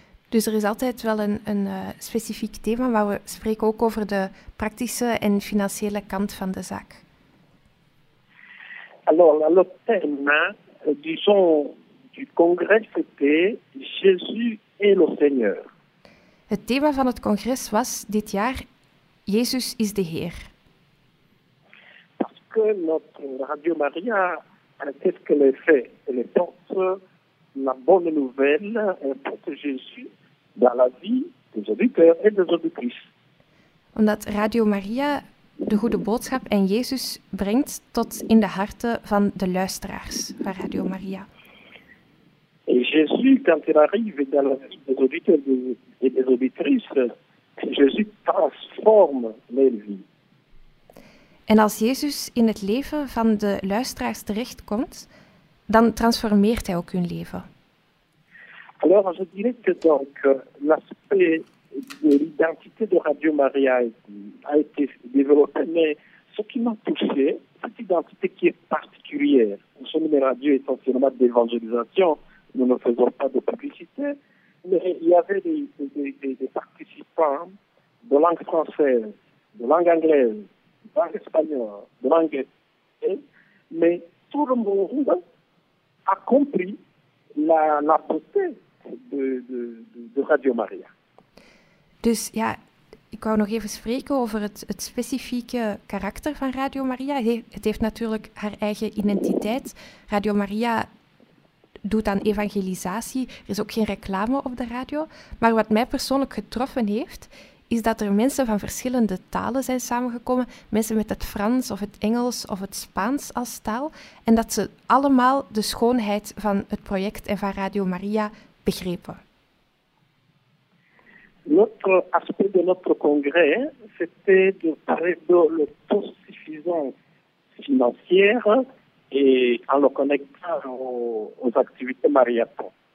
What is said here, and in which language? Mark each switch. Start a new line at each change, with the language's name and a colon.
Dutch: Dus er is altijd wel een specifiek thema, maar we spreken ook over de praktische en financiële kant van de zaak.
French: Alors, le thème, disons, du congrès, c'était Jésus et le Seigneur.
Dutch: Het thema van het congres was dit jaar Jezus is de Heer.
French: Parce que notre Radio Maria, qu'est-ce qu'elle fait? Elle porte la bonne nouvelle, elle porte Jésus. Dans la vie des auditeurs et des auditrices.
Dutch: Omdat Radio Maria de goede boodschap en Jezus brengt tot in de harten van de luisteraars van Radio Maria.
French: Et Jésus, quand il arrive dans la vie des auditeurs et des auditrices, Jésus transforme leur vie.
Dutch: En als Jezus in het leven van de luisteraars terechtkomt, dan transformeert hij ook hun leven.
French: Alors, je dirais que donc, l'aspect de l'identité de Radio Maria a été développé, mais ce qui m'a touché, cette identité qui est particulière, nous sommes des radios essentiellement d'évangélisation, nous ne faisons pas de publicité, mais il y avait des participants de langue française, de langue anglaise, de langue espagnole, de langue espagnole, mais tout le monde a compris la beauté de Radio Maria.
Dutch: Dus ja, ik wou nog even spreken over het specifieke karakter van Radio Maria. Het heeft natuurlijk haar eigen identiteit. Radio Maria doet aan evangelisatie. Er is ook geen reclame op de radio. Maar wat mij persoonlijk getroffen heeft, is dat er mensen van verschillende talen zijn samengekomen. Mensen met het Frans of het Engels of het Spaans als taal. En dat ze allemaal de schoonheid van het project en van Radio Maria begrepen.
French: Notre aspect de notre congrès, c'était de prévoir l'autosuffisance financière et en le connectant aux activités mariathon.